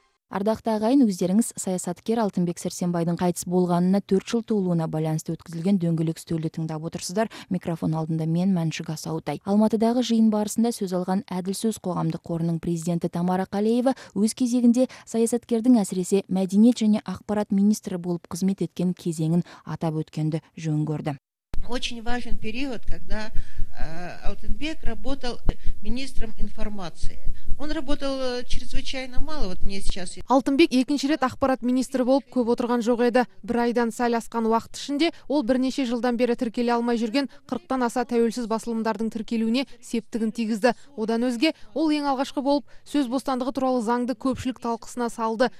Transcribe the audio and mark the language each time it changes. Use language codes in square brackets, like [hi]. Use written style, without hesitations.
[kk] Ардақты ағайын, өздеріңіз саясаткер Алтынбек Сәрсенбайдың қайтыс болғанына 4 жыл толуына байланысты өткізілген дөңгелек үстелді тыңдап отырсыздар. Микрофон алдында мен Мәншік Асаутай. Алматыдағы жиын барысында сөз алған әділ сөз қоғамдық қорының президенті Тамара Қалеева өз кезегінде саясаткердің әсіресе мәдениет және ақпарат министрі болып қызмет еткен кезеңін атап өткенді жөн көрді. [ru] Очень важен период, когда Алтынбек работал министром информации. Он работал чрезвычайно мало, вот мне сейчас. [kk] Алтынбек екінші рет ақпарат министрі болып көп отырған жоқ еді. Бір айдан сәл асқан уақыт ішінде ол бірнеше жылдан бері тіркеле алмай жүрген 40-тан аса тәуелсіз басылымдардың тіркелуіне септігін тигізді. Одан өзге, ол ең алғашқы болып сөз бостандығы туралы заңды көпшілік талқысына салды.